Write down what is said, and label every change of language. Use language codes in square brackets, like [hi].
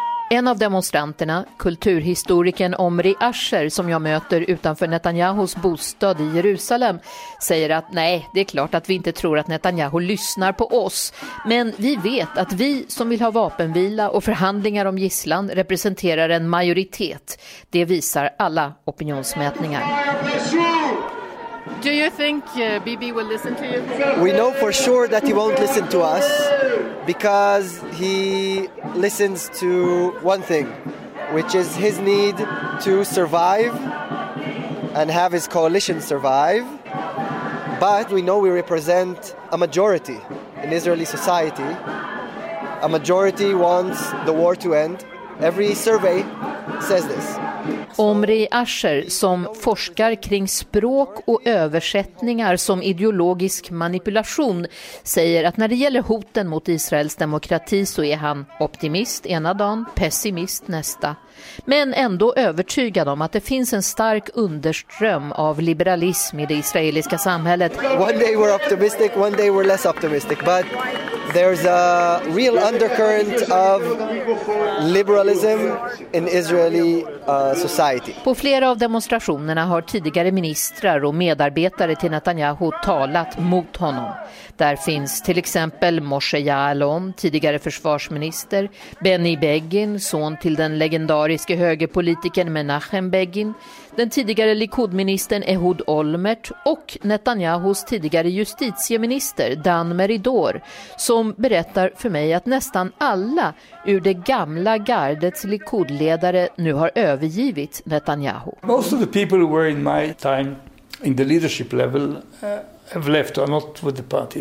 [sv] En av demonstranterna, kulturhistorikern Omri Asher, som jag möter utanför Netanyahus bostad i Jerusalem, säger att nej, det är klart att vi inte tror att Netanyahu lyssnar på oss. Men vi vet att vi som vill ha vapenvila och förhandlingar om gisslan representerar en majoritet. Det visar alla opinionsmätningar. [en] Do you think Bibi will listen to you? We know for sure that he won't listen to us because he listens to one thing, which is his need to survive and have his coalition survive. But we know we represent a majority in Israeli society. A majority wants the war to end. Every survey says this. [sv] Omri Asher, som forskar kring språk och översättningar som ideologisk manipulation, säger att när det gäller hoten mot Israels demokrati så är han optimist ena dagen, pessimist nästa. Men ändå övertygad om att det finns en stark underström av liberalism i det israeliska samhället. [en] One day we're optimistic, one day we're less optimistic, but there's a real undercurrent of liberalism in Israeli society. [sv] På flera av demonstrationerna har tidigare ministrar och medarbetare till Netanyahu talat mot honom. Där finns till exempel Moshe Ya'alon, tidigare försvarsminister, Benny Begin, son till den legendariske högerpolitiken Menachem Begin, den tidigare Likud-ministern Ehud Olmert och Netanyahus tidigare justitieminister Dan Meridor, som berättar för mig att nästan alla ur det gamla gardets Likud-ledare nu har övergivit Netanyahu. [en] Most of the people who were in my time in the leadership level have left, or not with the party.